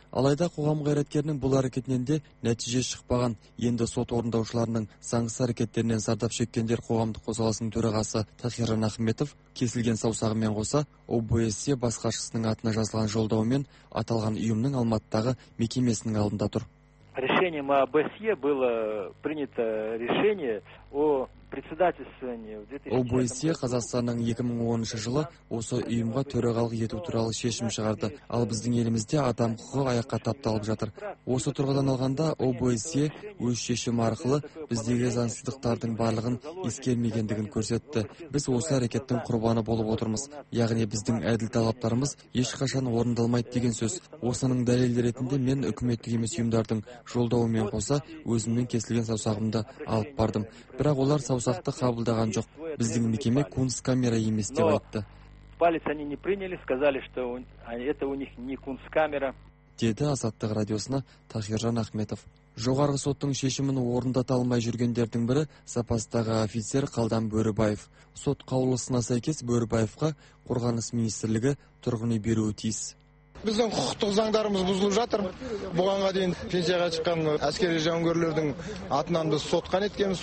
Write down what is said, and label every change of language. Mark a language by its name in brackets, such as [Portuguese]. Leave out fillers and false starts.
[Kazakh] Алайда қоғам қайраткерінің бұл әрекетінен де нәтиже шықпаған. Енді сот орындаушыларының заңсыз әрекеттерінен зардап шеккендер қоғамдық қозғалысының төрағасы Тахиржан Ахметов кесілген саусағымен қоса ОБСЕ басқарушысының атына жазылған жолдаумен аталған ұйымның Алматыдағы мекемесінің алдында тұр. [Russian] Решением ОБСЕ было принято решение о председательствовании в 2010 году. [Kazakh] ОБСЕ Қазақстанның 2010 жылы осы ұйымға төрағалық ету туралы шешім шығарды. Ал біздің елімізде адам құқығы аяққа тапталып жатыр. Осы тұрғыдан алғанда ОБСЕ өз шешімі арқылы біздегі заңсыздықтардың барлығын ескермегендігін көрсетті. Біз осы әрекеттің құрбаны болып отырмыз. Яғни біздің әділ талаптарымыз ешқашан орындалмайды деген сөз. Осының дәлелі ретінде мен үкіметтік емес ұйымдардың жолдауымен қоса өзімнің кесілген саусағымды алып бардым. Бірақ олар саусақты қабылдаған жоқ. Біздің мекеме кунсткамера емес деп айтты. [Russian] Палец они не приняли, сказали, что это у них не кунсткамера. [Kazakh] Деді Азаттық радиосына Тахиржан Ахметов. Жоғарғы соттың шешімін орындата алмай жүргендердің бірі запастағы офицер Қалдан Бөрібаев. Сот қаулысына сәйкес Бөрібаевқа Қорғаныс министрлігі тұрғын үй беруі тиіс. Біздің құқықтық заңдарымыз бұзылып жатыр. Бұғанға дейін пенсияға шыққан әскери жауынгерлердің атынан біз сотқа неткеміз.